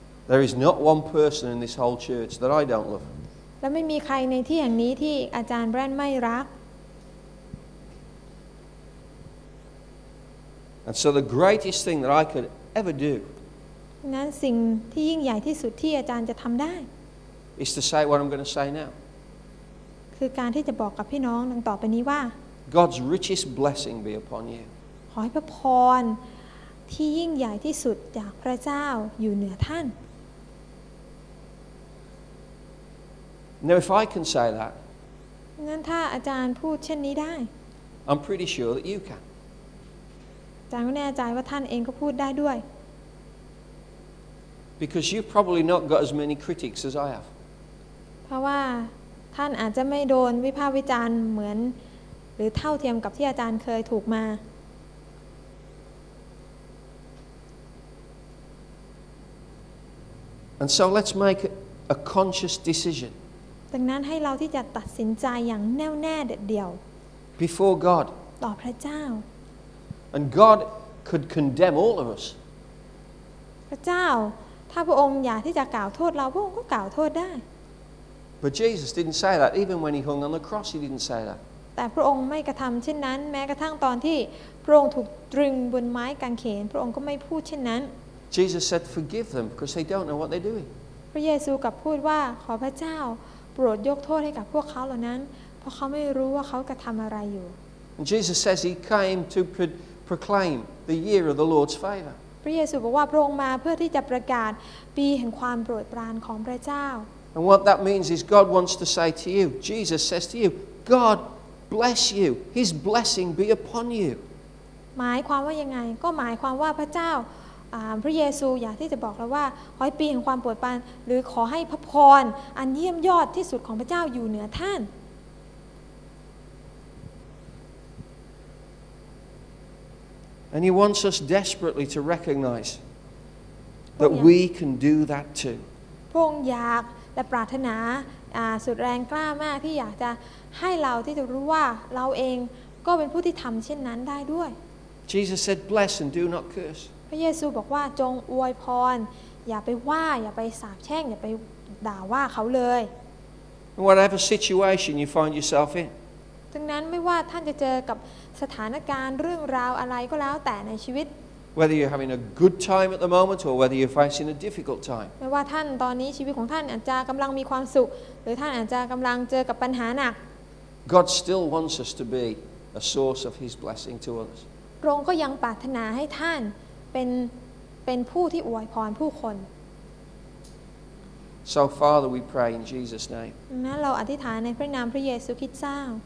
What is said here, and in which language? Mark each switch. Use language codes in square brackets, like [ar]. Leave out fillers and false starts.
[en] There is not one person in this whole church that I don't love. [th] และไม่มีใครในที่แห่งนี้ที่อาจารย์แบรนด์ไม่รัก [en] And so the greatest thing that I could ever do [th] นั้นสิ่งที่ยิ่งใหญ่ที่สุดที่อาจารย์จะทำได้ [en] is to say what I'm going to say now [th] คือการที่จะบอกกับพี่น้องดังต่อไปนี้ว่า [en] God's richest blessing be upon you [th] ขอให้พระพรที่ยิ่งใหญ่ที่สุดจากพระเจ้าอยู่เหนือท่าน [en] Now if I can say that [th] งั้นถ้าอาจารย์พูดเช่นนี้ได้ [en] I'm pretty sure that you can [th] อาจารย์ก็แน่ใจว่าท่านเองก็พูดได้ด้วย [en] Because you've probably not got as many critics as I have. [th] เพราะว่าท่านอาจจะไม่โดนวิพากษ์วิจารณ์เหมือนหรือเท่าเทียมกับที่อาจารย์เคยถูกมา [en] And so let's make a conscious decision. [th] ดังนั้นให้เราที่จะตัดสินใจอย่างแน่วแน่เดียว [en] Before God. [th] ต่อพระเจ้า [en] And God could condemn all of us. [th] พระเจ้าถ้าพระองค์อยากที่จะกล่าวโทษเราพระองค์ก็กล่าวโทษได้ [en] But Jesus didn't say that even when he hung on the cross he didn't say that [th] แต่พระองค์ไม่กระทำเช่นนั้นแม้กระทั่งตอนที่พระองค์ถูกตรึงบนไม้กางเขนพระองค์ก็ไม่พูดเช่นนั้น [en] Jesus said forgive them because they don't know what they're doing [th] พระเยซูกลับพูดว่าขอพระเจ้าโปรดยกโทษให้กับพวกเขาเหล่านั้นเพราะเขาไม่รู้ว่าเขากระทำอะไรอยู่ [en] And Jesus says he came to proclaim the year of the Lord's favor [th] พระเยซูบอกว่าพระองค์มาเพื่อที่จะประกาศปีแห่งความโปรดปรานของพระเจ้า [en] And what that means is God wants to say to you Jesus says to you God bless you His blessing be upon you [th] หมายความว่ายังไงก็หมายความว่าพระเจ้าพระเยซูอยากที่จะบอกเราว่าขอให้ปีแห่งความโปรดปรานหรือขอให้พระพรอันเยี่ยมยอดที่สุดของพระเจ้าอยู่เหนือท่าน [en] And he wants us desperately to recognize that we can do that too. [th] พงอยากและปรารถนาสุดแรงกล้ามากที่อยากจะให้เราที่จะรู้ว่าเราเองก็เป็นผู้ที่ทำเช่นนั้นได้ด้วย [en] Jesus said, "Bless and do not curse." [th] พระเยซูบอกว่าจงอวยพรอย่าไปว่าอย่าไปสาปแช่งอย่าไปด่าว่าเขาเลย [en] Whatever situation you find yourself in. [th] ดังนั้นไม่ว่าท่านจะเจอกับสถานการณ์เรื่องราวอะไรก็แล้วแต่ในชีวิต [en] Whether you're having a good time at the moment or whether you're facing a difficult time [th] ไม่ว่าท่านตอนนี้ชีวิตของท่านอาจจะกำลังมีความสุขหรือท่านอาจจะกำลังเจอกับปัญหาหนัก [en] God still wants us to be a source of His blessing to others [th] พระองค์ก็ยังปรารถนาให้ท่านเป็นผู้ที่อวยพรผู้คน [en] So Father we pray in Jesus name [th] นั้นเราอธิษฐานในพระนามพระเยซูคริสต์เจ้า